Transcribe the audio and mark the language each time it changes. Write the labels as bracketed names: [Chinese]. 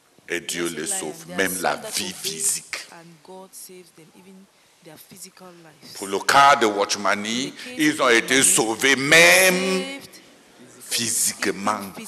[French] et Dieu les sauve, même la vie physique. [English] And God saves them, even their physical lives. [French] Pour le cas de Watchmani, ils ont été sauvés même physiquement.